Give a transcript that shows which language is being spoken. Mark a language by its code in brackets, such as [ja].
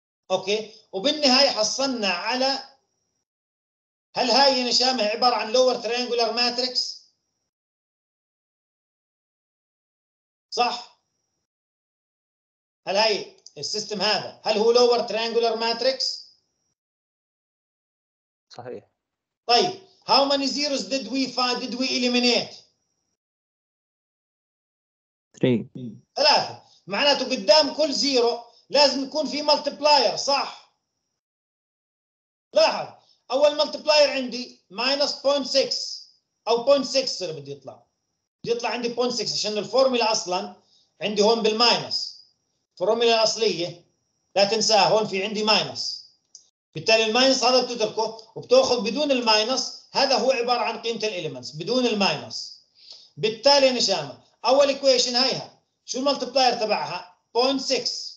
[ar] اوكي وبالنهايه حصلنا على هل هاي نشامه عباره عن لور تريانجولر ماتريكس؟ صح؟ هل هاي السيستم هذا هل هو lower triangular matrix؟ صحيح. [en] طيب how many zeros did we find, did we eliminate? [ar] 3. معناته قدام كل zero لازم يكون في multiplier صح؟ لاحظ أول multiplier عندي minus 0.6 أو 0.6 اللي بدي يطلع عندي 0.6 عشان الفورميلا أصلا عندي هون بالماينس الفورميلا الأصلية لا تنساها هون في عندي ماينس بالتالي الماينس هذا بتتركه وبتأخذ بدون الماينس هذا هو عبارة عن قيمة الإليمنتس بدون الماينس بالتالي نشامة أول إكويشن هايها شو الملتبلاير تبعها 0.6